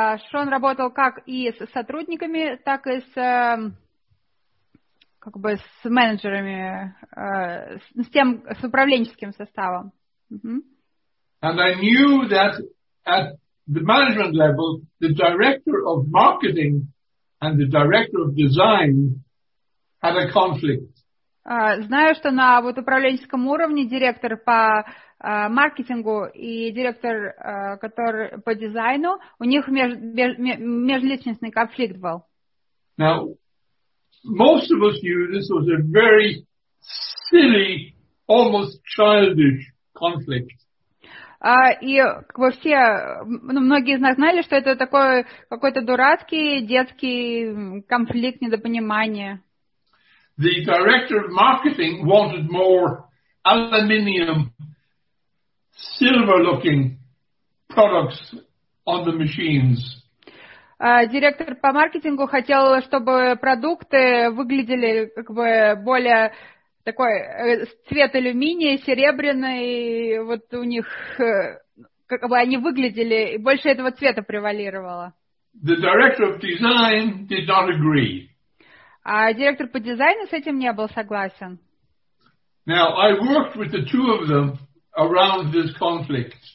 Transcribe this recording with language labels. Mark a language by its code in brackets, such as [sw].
[ru] Шон работал как и с сотрудниками, так и с как бы с менеджерами, с управленческим составом. Uh-huh. [en] And I knew that at the management level, the director of marketing and the director of design had a conflict. [ru] Знаю, что на вот управленческом уровне директор по маркетингу и директор, который по дизайну, у них межличностный конфликт был. [en] Now, most of us knew this was a very silly, almost childish conflict. [ru] И как бы все, ну, многие из нас знали, что это такой какой-то дурацкий детский конфликт, недопонимание. [en] The director of marketing wanted more aluminium, silver-looking products on the machines. [ru] Директор по маркетингу хотел, чтобы продукты выглядели как бы более такой цвет алюминия, серебряный, вот у них как бы они выглядели, и больше этого цвета превалировало. [en] The director of design did not agree. [ru] А директор по дизайну с этим не был согласен. [en] Now, I worked with the two of them around this conflict.